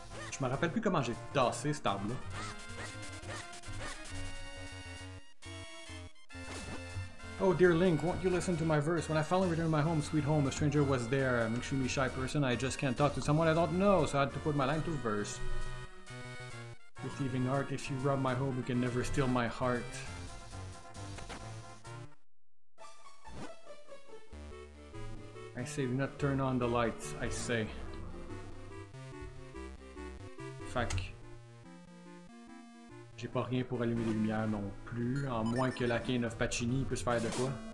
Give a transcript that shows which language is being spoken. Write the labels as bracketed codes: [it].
[fr] Je me rappelle plus comment j'ai tassé cette arme-là. [en] Oh dear Link, won't you listen to my verse? When I finally returned my home, sweet home, a stranger was there. I'm an extremely shy person, I just can't talk to someone I don't know, so I had to put my line to verse. With thieving art, if you rob my home, you can never steal my heart. I say, do not turn on the lights, I say. [fr] J'ai pas rien pour allumer les lumières non plus, à moins que la Cane of Pacini puisse faire de quoi.